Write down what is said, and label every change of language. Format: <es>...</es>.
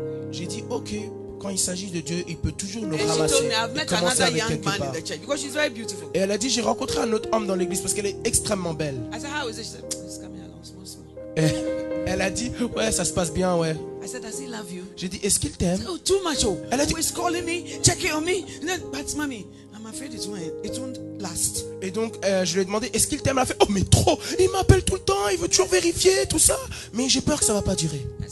<fr>J'ai dit, ok. Quand il s'agit de Dieu, il peut toujours nous ramasser.</fr> <en>She told me, I've met another young man in the church because she's very beautiful.</en> <fr>Et elle a dit, j'ai rencontré un autre homme dans l'église parce qu'elle est extrêmement belle.</fr> <en>I said, how is it? She said, he's coming along, small, small.</en> <fr>Elle a dit, ouais, ça se passe bien, ouais.</fr> <en>I said, does he love you?</en> <fr>J'ai dit, est-ce qu'il t'aime?</fr> <en>Oh, too much. Oh.</en> <fr>Elle a dit,</fr> <en>he's calling me, checking on me. Then, but mommy, I'm afraid it won't last.</en> <fr>Et donc, je lui ai demandé, est-ce qu'il t'aime? Elle a fait, oh mais trop. Il m'appelle tout le temps, il veut toujours vérifier tout ça. Mais j'ai peur que ça va pas durer.</fr>